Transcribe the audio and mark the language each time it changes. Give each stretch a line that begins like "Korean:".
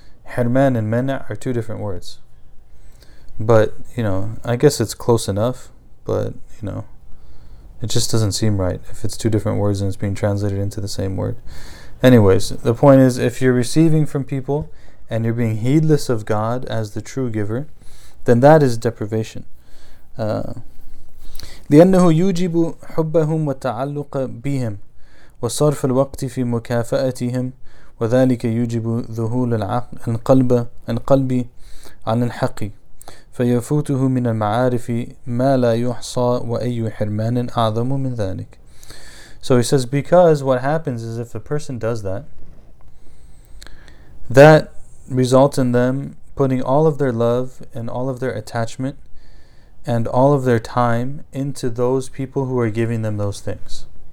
English: Hirman and mena are two different words. But, you know, I guess it's close enough, but... You know, it just doesn't seem right if it's two different words and it's being translated into the same word. Anyways, the point is, if you're receiving from people and you're being heedless of God as the true giver, then that is deprivation.
Arabic: لأنه يوجب حبهم والتعلق بهم وصرف الوقت في مكافأتهم وذلك يوجب ذهول القلب عن الحق. فيفوته من المعارف ما لا يحصى وأي حرمان أعظم من ذلك.
English: So he says, because what happens is, if a person does that, that results in them putting all of their love and all of their attachment and all of their time into those people who are giving them those things.